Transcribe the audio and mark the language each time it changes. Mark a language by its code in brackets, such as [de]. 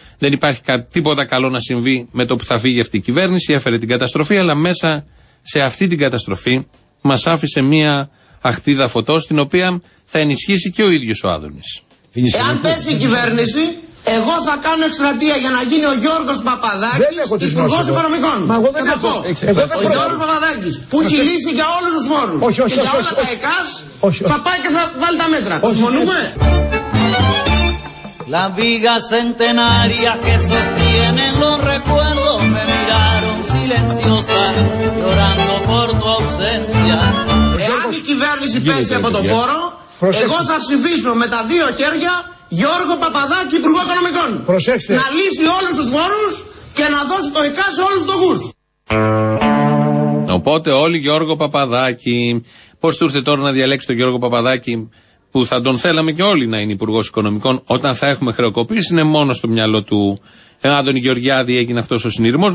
[el] Δεν υπάρχει τίποτα καλό να συμβεί με το που θα φύγει αυτή η κυβέρνηση, έφερε την καταστροφή, αλλά μέσα σε αυτή την καταστροφή μας άφησε μία αχτίδα φωτός την οποία θα ενισχύσει και ο ίδιος ο Άδωνης. Εάν πέσει η κυβέρνηση, εγώ θα κάνω εκστρατεία για να γίνει ο Γιώργος Παπαδάκης υπουργός οικονομικών. Μα εγώ δεν θα πω. Ο Γιώργος Παπαδάκης που έχει λύσει για όλους τους φόρους και όχι, για όλα τα ΕΚΑΣ θα πάει και θα βάλει τα μέτρα. Συμφωνούμε. [es] La viga centenaria que sostiene los recuerdos me miraron silenciosa llorando por tu ausencia. [el] Εάν η κυβέρνηση πέσει από το φόρο, εγώ θα ψηφίσω με τα δύο χέρια Γιώργο Παπαδάκη, Υπουργό Οικονομικών. Προσέξτε. Να λύσει όλους τους φόρους και να δώσει το ΕΚΑ σε όλους τους φορείς. Οπότε όλοι Γιώργο Παπαδάκη. Πώς του ήρθε τώρα να διαλέξει τον Γιώργο Παπαδάκη, που θα τον θέλαμε και όλοι να είναι Υπουργός Οικονομικών, όταν θα έχουμε χρεοκοπήσει, είναι μόνο στο μυαλό του Άδωνη Γεωργιάδη έγινε αυτός ο συνειρμός.